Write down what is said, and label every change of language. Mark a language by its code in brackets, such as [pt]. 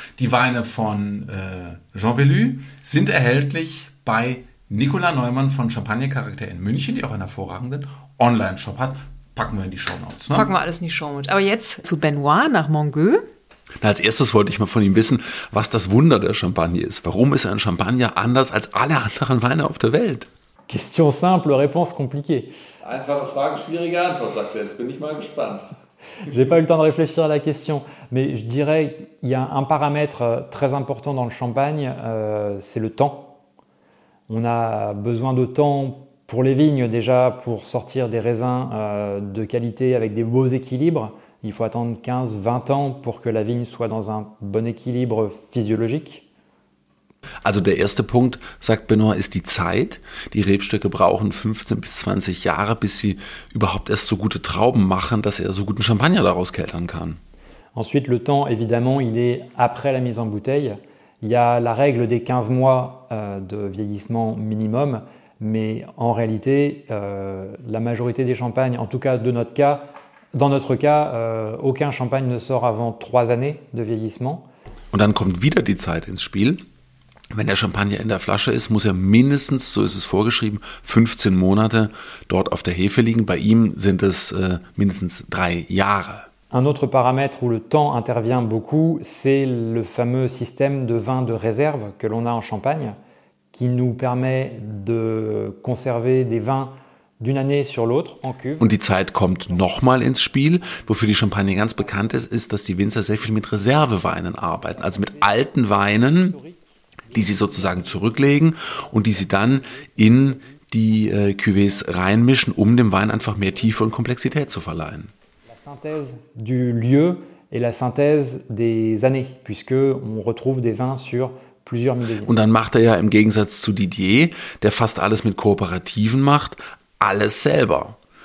[de] Die Weine von Jean Velu sind erhältlich bei Nicola Neumann von Champagner Charakter in München, die auch einen hervorragenden Online-Shop hat. Packen wir in die Shownotes. Ne? Packen wir alles in die Shownotes. Aber jetzt zu Benoit nach Mongeau. Als erstes wollte ich mal von ihm wissen, was das Wunder der Champagner ist. Warum ist ein Champagner anders als alle anderen Weine auf der Welt? [fr] Question simple, réponse compliquée. [de] Einfache Frage, schwierige Antwort, sagt er. Jetzt bin ich mal gespannt. [fr] J'ai pas eu le temps de réfléchir à la question, mais je dirais qu'il y a un paramètre très important dans le champagne, c'est le temps. On a besoin de temps pour les vignes déjà, pour sortir des raisins de qualité avec des beaux équilibres. Il faut attendre 15-20 ans pour que la vigne soit dans un bon équilibre physiologique. [de] Also der erste Punkt, sagt Benoit, ist die Zeit. Die Rebstöcke brauchen 15 bis 20 Jahre, bis sie überhaupt erst so gute Trauben machen, dass er so guten Champagner daraus keltern kann. [fr] Ensuite, le temps, évidemment, il est après la mise en bouteille. Il y a la règle des 15 mois de vieillissement minimum, mais en réalité, la majorité des champagnes, en tout cas de notre cas, dans notre cas, aucun champagne ne sort avant 3 années de vieillissement. [de] Und dann kommt wieder die Zeit ins Spiel. Wenn der Champagner in der Flasche ist, muss er mindestens, so ist es vorgeschrieben, 15 Monate dort auf der Hefe liegen. Bei ihm sind es mindestens 3 Jahre. [fr] Un autre paramètre où le temps intervient beaucoup, c'est le fameux système de vin de réserve que l'on a en Champagne, qui nous permet de conserver des vins d'une année sur l'autre en cuve. [de] Und die Zeit kommt nochmal ins Spiel. Wofür die Champagne ganz bekannt ist, ist, dass die Winzer sehr viel mit Reserveweinen arbeiten, also mit alten Weinen, die sie sozusagen zurücklegen und die sie dann in die Cuvées reinmischen, um dem Wein einfach mehr Tiefe und Komplexität zu verleihen. [fr] Synthèse du lieu et la synthèse des années, puisque on retrouve des vins sur plusieurs millésimes. [de] Und dann macht er ja im Gegensatz zu Didier, der fast alles mit Kooperativen macht, alles selber.